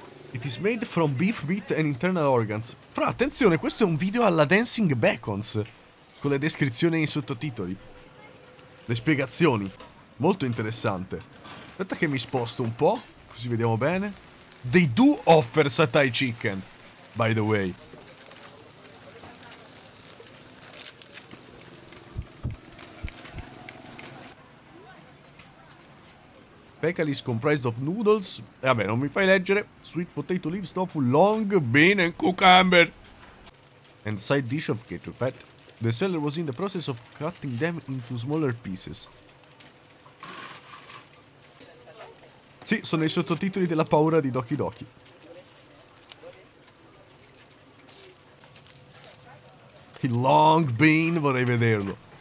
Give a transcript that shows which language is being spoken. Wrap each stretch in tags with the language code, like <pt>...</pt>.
<en>It is made from beef, meat and internal organs.</en> <it>Fra, attenzione, questo è un video alla Dancing Beacons. Con le descrizioni e i sottotitoli. Le spiegazioni. Molto interessante. Aspetta che mi sposto un po', così vediamo bene.</it> <en>They do offer satay chicken, by the way. Pekal is comprised of noodles.</en> <it>Vabbè, non mi fai leggere.</it> <en>Sweet potato leaves, tofu, long bean and cucumber. And side dish of ketupat. The seller was in the process of cutting them into smaller pieces.</en> <it>Sì, sono i sottotitoli della paura di Doki Doki. Il long bean, vorrei vederlo.</it>